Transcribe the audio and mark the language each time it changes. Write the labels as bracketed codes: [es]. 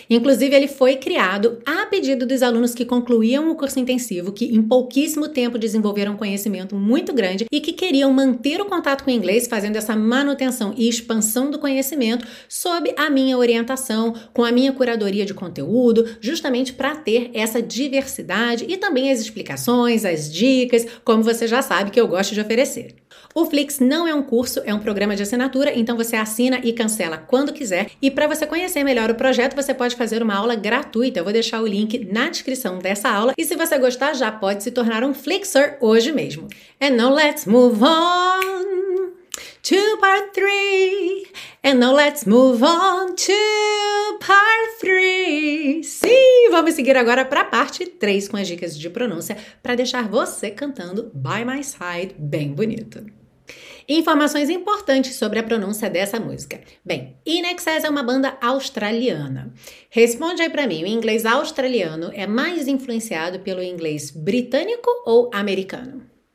[pt] Inclusive, ele foi criado a pedido dos alunos que concluíam o curso intensivo, que em pouquíssimo tempo desenvolveram um conhecimento muito grande e que queriam manter o contato com o inglês, fazendo essa manutenção e expansão do conhecimento sob a minha orientação, com a minha curadoria de conteúdo, justamente para ter essa diversidade e também as explicações, as dicas, como você já sabe que eu gosto de oferecer. O Flix não é um curso, é um programa de assinatura, então você assina e cancela quando quiser. E para você conhecer melhor o projeto, você pode fazer uma aula gratuita. Eu vou deixar o link na descrição dessa aula. E se você gostar, já pode se tornar um Flixer hoje mesmo. [en] And now let's move on! To part 3, and now let's move on to part 3. [pt] Sim, vamos seguir agora para a parte 3 com as dicas de pronúncia para deixar você cantando By My Side bem bonito. Informações importantes sobre a pronúncia dessa música. Bem, INXS é uma banda australiana. Responde aí para mim, o inglês australiano é mais influenciado pelo inglês britânico ou americano?